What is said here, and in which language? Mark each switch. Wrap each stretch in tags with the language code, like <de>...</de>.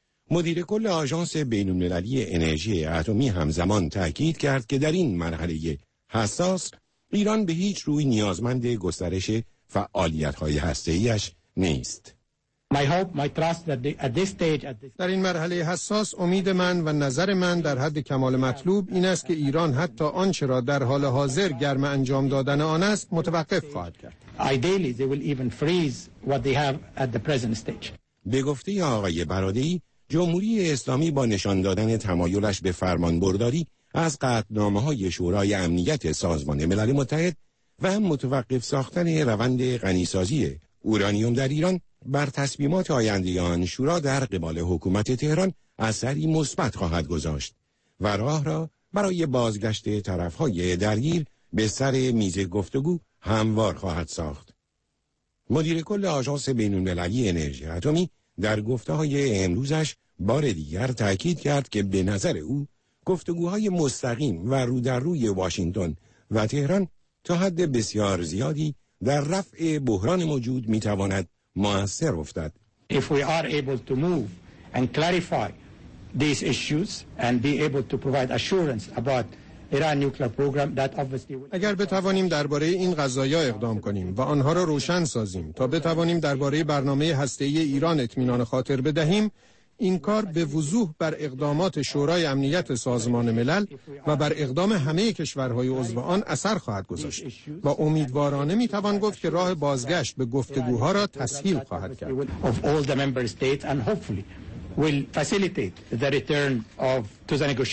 <fa>مدیر کل آژانس بین‌المللی انرژی اتمی همزمان تأکید کرد که در این مرحله حساس ایران به هیچ روی نیازمند گسترش فعالیت‌های هسته‌ایش نیست. در این مرحله حساس امید من و نظر من در حد کمال مطلوب این است که ایران حتی آنچه را در حال حاضر گرم انجام دادن آن است متوقف خواهد کرد.</fa> <en>Ideally they will even freeze what they have at the present stage.</en> <fa>به گفته آقای برادایی جمهوری اسلامی با نشان دادن تمایلش به فرمانبرداری از قطعنامه‌های شورای امنیت سازمان ملل متحد و متوقف ساختن روند غنی‌سازی اورانیوم در ایران بر تصمیمات آینده آن شورا در قبال حکومت تهران اثری مثبت خواهد گذاشت و راه را برای بازگشت طرف‌های درگیر به سر میز گفتگو هموار خواهد ساخت. مدیر کل آژانس بین‌المللی انرژی اتمی در گفته‌های امروزش بار دیگر تأکید کرد که به نظر او گفتگوهای مستقیم و رو در روی واشنگتن و تهران تا حد بسیار زیادی در رفع بحران موجود می‌تواند مؤثر افتد.</fa> <en>If we are able to move and clarify these issues and be able to provide assurance about Iran nuclear program, that obviously</en> <fa>اگر بتوانیم درباره این قضایا اقدام کنیم و آنها را روشن سازیم تا بتوانیم درباره برنامه هسته‌ای ایران اطمینان خاطر بدهیم، این کار به وضوح بر اقدامات شورای امنیت سازمان ملل و بر اقدام همه کشورهای عضو آن اثر خواهد گذاشت و امیدوارانه می توان گفت که راه بازگشت به گفتگوها را تسهیل خواهد کرد.</fa>